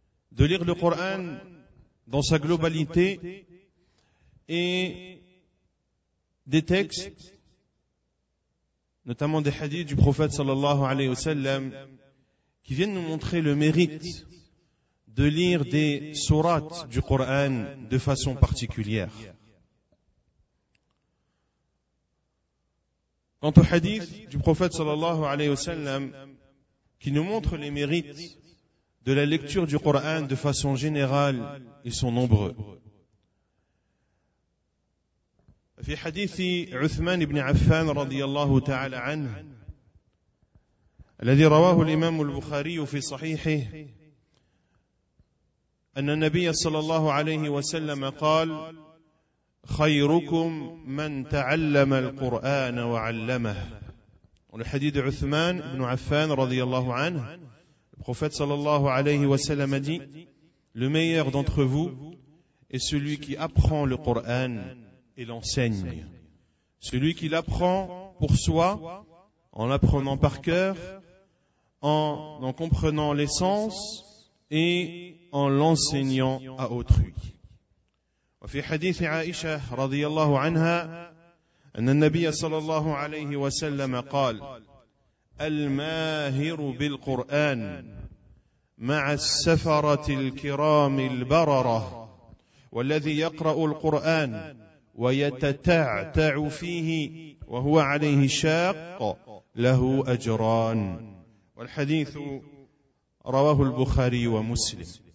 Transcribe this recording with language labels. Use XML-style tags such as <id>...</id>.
<fr>De lire le Coran dans sa globalité et des textes, notamment des hadiths du prophète sallallahu alayhi wa sallam, qui viennent nous montrer le mérite de lire des sourates du Coran de façon particulière. Quant au hadith du prophète sallallahu alayhi wa sallam, qui nous montre les mérites de la lecture du Coran de façon générale, ils sont nombreux.</fr> <ar>في حديث عثمان بن عفان رضي الله تعالى عنه الذي رواه الإمام البخاري في صحيحه أن النبي صلى الله عليه وسلم قال خيركم من تعلم القرآن وعلمه والحديث عثمان بن عفان رضي الله عنه البخاري صلى الله عليه وسلم</ar> <fr>dit le meilleur d'entre vous est celui qui apprend le Coran et l'enseigne. Celui qui l'apprend pour soi, en l'apprenant par cœur, en comprenant l'essence, et en l'enseignant à autrui.</fr> <ar>وفي حديث عائشة رضي الله عنها أن النبي صلى الله عليه وسلم قال الماهر بالقرآن مع السفرة الكرام البررة والذي يقرأ القرآن ويتتعتع فيه وهو عليه شاق له أجران والحديث رواه البخاري ومسلم</ar>